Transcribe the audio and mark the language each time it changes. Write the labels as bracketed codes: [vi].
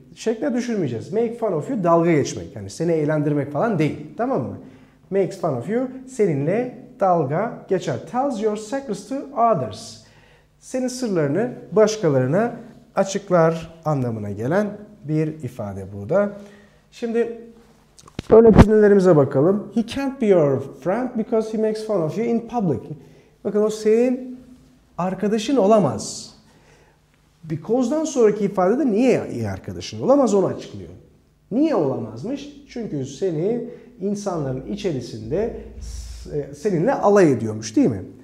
[tr] Şekle düşürmeyeceğiz. [en] Make fun of you [tr] dalga geçmek. Yani seni eğlendirmek falan değil. Tamam mı? [en] Makes fun of you [tr] seninle dalga geçer. [en] Tells your secrets to others. [tr] Senin sırlarını başkalarına açıklar anlamına gelen bir ifade bu da. Şimdi örnek cümlelerimize bakalım. [en] He can't be your friend because he makes fun of you in public. [tr] Bakın o senin arkadaşın olamaz. Because'dan sonraki ifadede niye iyi arkadaşın olamaz onu açıklıyor. Niye olamazmış? Çünkü seni insanların içerisinde seninle alay ediyormuş, değil mi?